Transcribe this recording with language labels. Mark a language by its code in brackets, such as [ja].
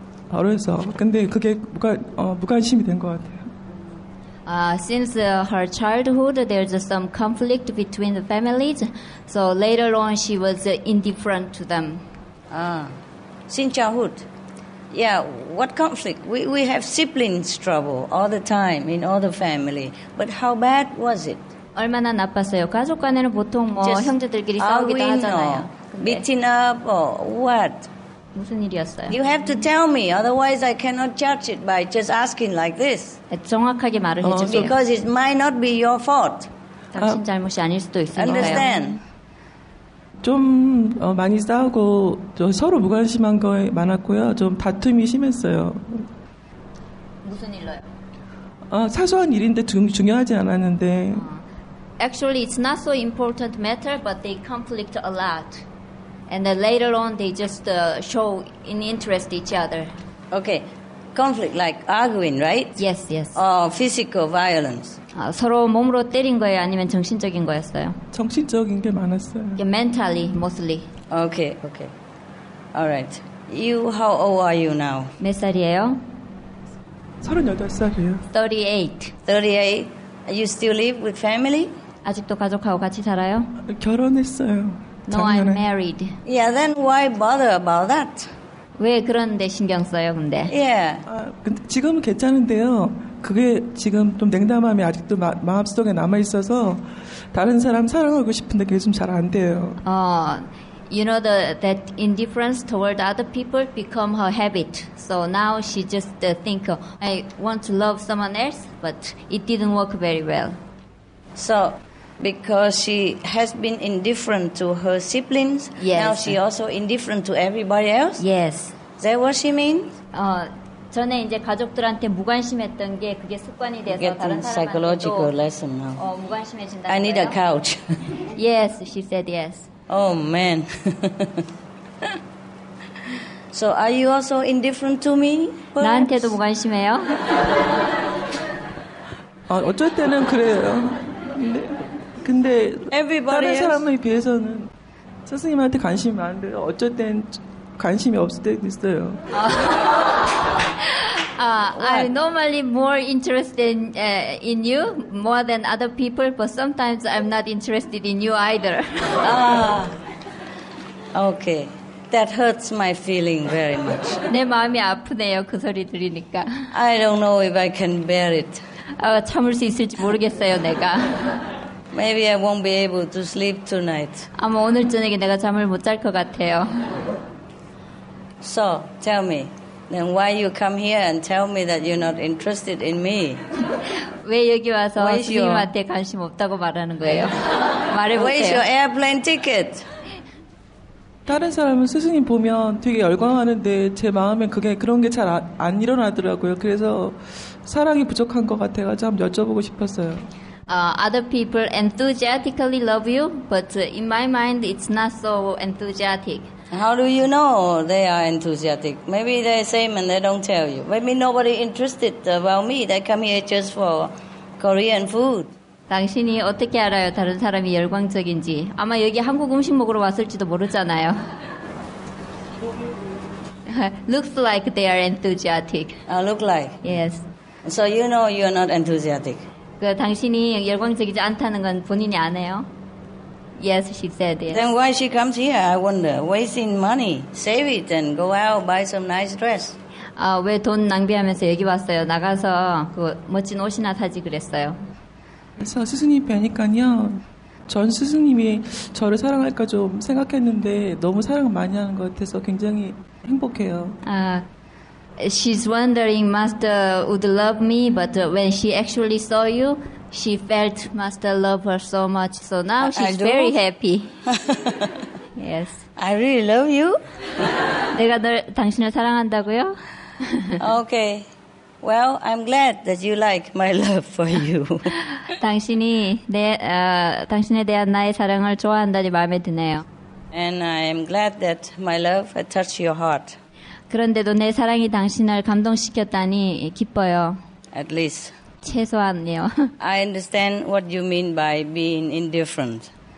[ko] 어려서 근데 그게 무관심이 된 것 같아요. [en] Since her childhood, there's some conflict between the families. So later on, she was indifferent to them. Since childhood, yeah. What conflict? We have siblings trouble all the time in all the family. But how bad was it? [ko] 얼마나 나빴어요? 가족 간에는 보통 뭐 [en] Just [ko] 형제들끼리 싸우기도 하잖아요. [en] Beating up or what? [ko] 무슨 일이었어요? [en] You have to tell me, otherwise I cannot judge it by just asking like this. [ko] 정확하게 말을 해주세요. [en] Because it might not be your fault. [ko] 당신 잘못이 아닐 수도 있어요. [en] Understand? [ko] 좀 많이 싸우고 서로 무관심한 거에 많았고요. 좀 다툼이 심했어요. 무슨 일로요? 사소한 일인데 중요하지 않았는데. [en] Actually, it's not so important matter, but they conflict a lot. And then later on, they just show an interest each other. Okay. Conflict, like arguing, right? Yes, yes. Or physical violence. [ko] 서로 몸으로 때린 거예요, 아니면 정신적인 거였어요? 정신적인 게 많았어요. [en] Yeah, mentally, mostly. Okay, okay. All right. You, how old are you now? [ko] 몇 살이에요? 38살이에요. [en] 38. You still live with family? [ko] 아직도 가족하고 같이 살아요? 결혼했어요. [en] No, I'm married. Yeah, then why bother about that? [ko] 왜 그런데 신경 써요, 근데? [en] Yeah. [ko] 근데 지금은 괜찮은데요. 그게 지금 좀 냉담함이 아직도 마음속에 남아 있어서 다른 사람 사랑하고 싶은데 그게 좀 잘 안 돼요. [en] You know that indifference toward other people become her habit. So now she just think, I want to love someone else, but it didn't work very well. So because she has been indifferent to her siblings, yes. Now she also indifferent to everybody else? Yes. Is that what she means? [ko] 전에 이제 가족들한테 무관심했던 게 그게 습관이 돼서 다른 사람한테도 [en] psychological lesson now. [ko] 무관심해진다. [en] I need a couch. Yes, she said yes. Oh, man. So are you also indifferent to me? Perhaps? [ko] 나한테도 무관심해요? 어쩔 때는 그래요. 근데 [en] Everybody [ko] 다른 [en] else? [ko] 사람에 비해서는 스승님한테 관심이 많은데 어쩔 땐 관심이 없을 때도 있어요. [en] I'm normally more interested in you, more than other people, but sometimes I'm not interested in you either. Okay. That hurts my feeling very much. [ko] 내 마음이 아프네요, 그 소리 들으니까. [en] I don't know if I can bear it. [ko] 참을 수 있을지 모르겠어요, 내가. [en] Maybe I won't be able to sleep tonight. [ko] 아마 오늘 저녁에 내가 잠을 못 잘 것 같아요. [en] So, tell me. Then why you come here and tell me that you're not interested in me? [ko] 왜 여기 와서 스님한테 관심 없다고 말하는 거예요? 말해보세요. [en] Where is your airplane ticket? [ko] 다른 사람은 스승님 보면 되게 열광하는데 제 마음에 그게 그런 게 잘 안 일어나더라고요. 그래서 사랑이 부족한 것 같아서 좀 여쭤보고 싶었어요. [en] Other people enthusiastically love you, but in my mind, it's not so enthusiastic. How do you know they are enthusiastic? Maybe they're same and they don't tell you. Maybe nobody interested about me. They come here just for Korean food. [ko] 당신이 어떻게 알아요? 다른 사람이 열광적인지. 아마 여기 한국 음식 먹으러 왔을지도 모르잖아요. [en] Looks like they are enthusiastic. Look like? Yes. So you know you are not enthusiastic? [ko] 그 당신이 열광적이지 않다는 건 본인이 아네요. [en] Yes, she said yes. Then why she comes here, I wonder. Wasting money. Save it and go out, buy some nice dress. [ko] 왜 돈 낭비하면서 여기 왔어요. 나가서 그 멋진 옷이나 사지 그랬어요. 그래서 스승님 뵈니까요, 전 스승님이 저를 사랑할까 좀 생각했는데 너무 사랑 많이 하는 것 같아서 굉장히 행복해요. [en] She's wondering Master would love me, but when she actually saw you, she felt Master love her so much. So now she's very happy. Yes. I really love you. [ko] 내가 널 당신을 사랑한다고요? [en] Okay. Well, I'm glad that you like my love for you. [ko] 당신이 당신에 대한 나의 사랑을 좋아한다니 마음에 드네요. [en] And I'm glad that my love has touched your heart. [ko] 그런데도 내 사랑이 당신을 감동시켰다니 기뻐요. [en] At least. [ko] 최소한요. [en] I understand what you mean by being indifferent.